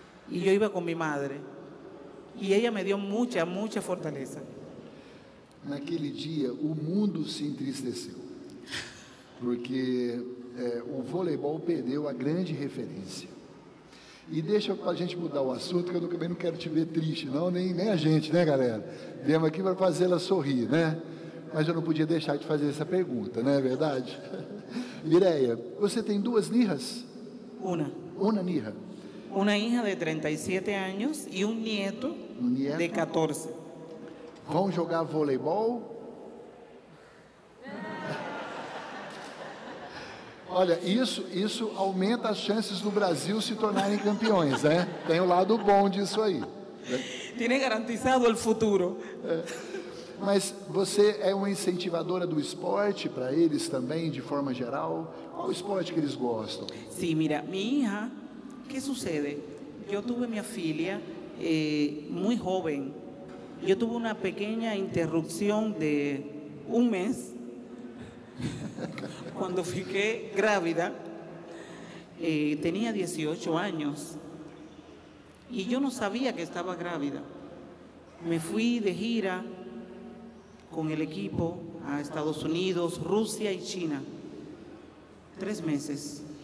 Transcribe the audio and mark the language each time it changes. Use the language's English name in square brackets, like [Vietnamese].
[Spanish] Y yo iba con mi madre y ella me dio mucha, mucha fortaleza. [Portuguese] Naquele dia, o mundo se entristeceu, porque o voleibol perdeu a grande referência. E deixa para a gente mudar o assunto, que eu também não quero te ver triste, não, nem a gente, né, galera? Viemos aqui para fazê-la sorrir, né? Mas eu não podia deixar de fazer essa pergunta, não é verdade? Mireya, você tem 2 nihas? Uma nirra. Uma hija de 37 anos e nieto de 14. Vão jogar voleibol? Olha, isso aumenta as chances do Brasil se tornarem campeões, né? Tem o lado bom disso aí. [Spanish] Tiene garantizado el futuro. [Portuguese] Mas você é uma incentivadora do esporte para eles também, de forma geral? Qual o esporte que eles gostam? Sim, mira, minha hija, o que sucede? Eu tive minha filha muito jovem. [Spanish] Yo tuve una pequeña interrupción de 1 mes cuando fiqué grávida. Tenía 18 años y yo no sabía que estaba grávida. Me fui de gira con el equipo a Estados Unidos, Rusia y China. 3 meses.